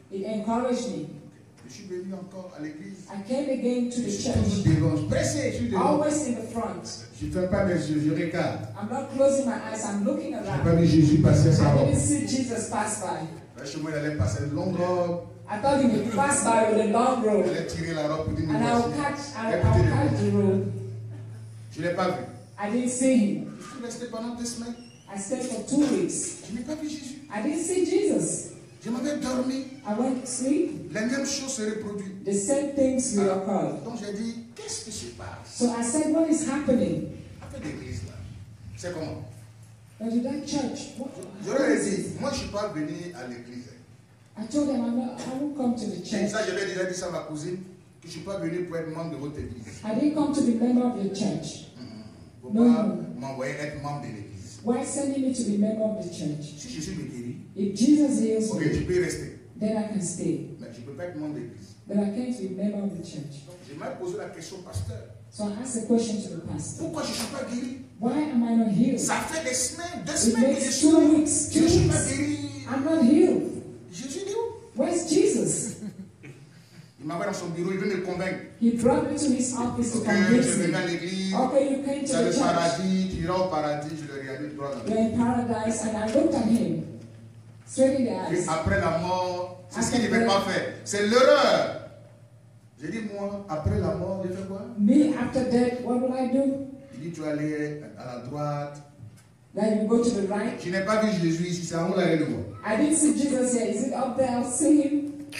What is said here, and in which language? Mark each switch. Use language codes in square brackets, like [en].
[en] He encouraged me. [fr] Je suis venu encore à l'église. [en] I came again to the church. [fr] Devant, pressé, je suis devant. [en] Always in the front. [fr] Je ne ferme pas mes yeux, je regarde. [en] I'm not closing my eyes. I'm looking around. [fr] Je n'ai pas vu Jésus passer sa robe. [en] I didn't see Jesus pass by. [fr] Là, chez moi, il allait passer une longue robe. [en] I thought he would pass by with a long robe. [fr] Je l'ai tiré la robe pour dire. [en] And I'll catch the robe. [fr] Je l'ai pas vu. [en] I didn't see him. [fr] Je suis resté pendant deux semaines. [en] I stayed for 2 weeks. [fr] Je n'ai pas vu Jésus. [en] I didn't see Jesus. [fr] Je m'avais dormi. [en] I went to sleep. [fr] Les mêmes choses se reproduisent. [en] The same things will occur. [fr] Donc j'ai dit, qu'est-ce qui se passe? [en] So I said, what is happening? [fr] Après l'église là, c'est comment? [en] But in that church, [fr] j'aurais dit, moi je suis pas venu à l'église. [en] I told them, I won't come to the church. [fr] Et ça, j'avais déjà dit ça à ma cousine, que je suis pas venu pour être membre de votre église. [en] I didn't come to be member of your church. [fr] Mm-hmm. No. Pas m'envoyer être membre de l'église. [en] Why sending me to be member of the church? [fr] Si Jésus me guérit, [en] if Jesus heals me, [fr] okay, tu peux rester. [en] Then I can stay. [fr] Mais je peux pas être membre de l'église. [en] But I came to be a member of the church. [fr] J'ai même posé la question, pasteur. [en] So I asked a question to the pastor. [fr] Pourquoi je suis pas guéri? [en] Why am I not healed? [fr] Ça fait des semaines, deux semaines, je suis pas guéri. [en] I'm not healed. [fr] Jésus dit où? [en] Where's Jesus? [fr] Il m'avait dans son bureau, il venait me convaincre. [en] He brought me to his office to convince me. [fr] Je vais à l'église. [en] Okay, you came to the church. [fr] Tu as le paradis, tu iras au paradis, je le réalise, droit dans le. [en] You're in paradise, and I looked at him. Straight in the eyes. [fr] Après la mort, c'est ce qu'il ne veut pas faire. C'est l'erreur. J'ai dit, moi, après la mort, je fais quoi? [en] Me, after death, what will I do? [fr] Il dit, tu vas aller à la droite. [en] Then you go to the right. [fr] Je n'ai pas vu Jésus ici, c'est à l'arrière de moi. [en] I didn't see Jesus here. Is it up there? I'll see him.